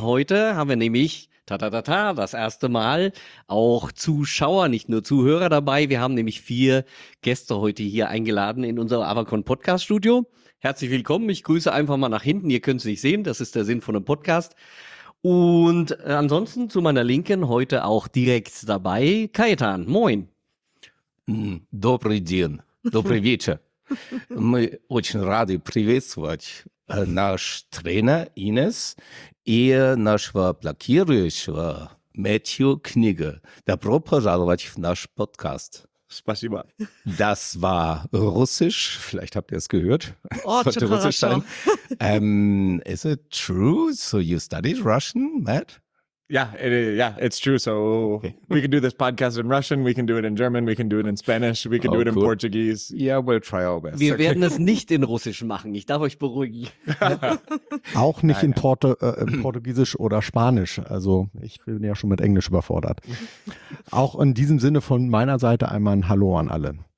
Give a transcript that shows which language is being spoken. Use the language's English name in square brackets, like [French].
[German] Heute haben wir nämlich, das erste Mal, auch Zuschauer, nicht nur Zuhörer dabei. Wir haben nämlich 4 Gäste heute hier eingeladen in unser Avacon Podcast Studio. Herzlich willkommen. Ich grüße einfach mal nach hinten. Ihr könnt es nicht sehen. Das ist der Sinn von einem Podcast. Und ansonsten zu meiner Linken heute auch direkt dabei, Kaetan. Moin. [Russian] Добрый день, добрый вечер. Мы очень рады приветствовать наш тренер Инес и нашего блокирующего Мэтью Книга. Добро пожаловать в наш подкаст. Спасибо. [German] Das war Russisch, vielleicht habt ihr es gehört. Russisch sein. [English] Is it true? So you studied Russian, Matt? Yeah, it's true. So we can do this podcast in Russian, we can do it in German, we can do it in Spanish, we can do it in Portuguese. Yeah, we'll try our best. [German] Wir werden es nicht in Russisch machen, ich darf euch beruhigen. Auch nicht in Portugiesisch oder Spanisch, also ich bin ja schon mit Englisch überfordert. Auch in diesem Sinne von meiner Seite einmal ein Hallo an alle.